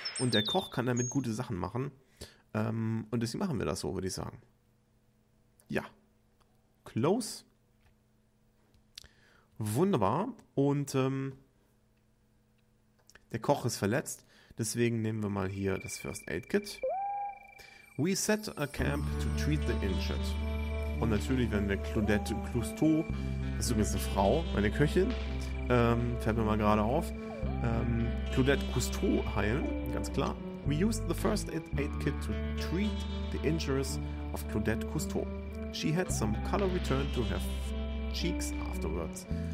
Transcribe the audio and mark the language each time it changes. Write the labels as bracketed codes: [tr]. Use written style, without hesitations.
[de] Und der Koch kann damit gute Sachen machen. Und deswegen machen wir das so, würde ich sagen. Ja. Close. Wunderbar. Und, der Koch ist verletzt, deswegen nehmen wir mal hier das First Aid Kit. [en] We set a camp to treat the injured. [de] Und natürlich werden wir Claudette Clouseau, das ist übrigens eine Frau, meine Köchin, fällt mir mal gerade auf, Claudette Clouseau heilen, ganz klar. [en] We used the First Aid Kit to treat the injuries of Claudette Clouseau. She had some color returned to her cheeks afterwards.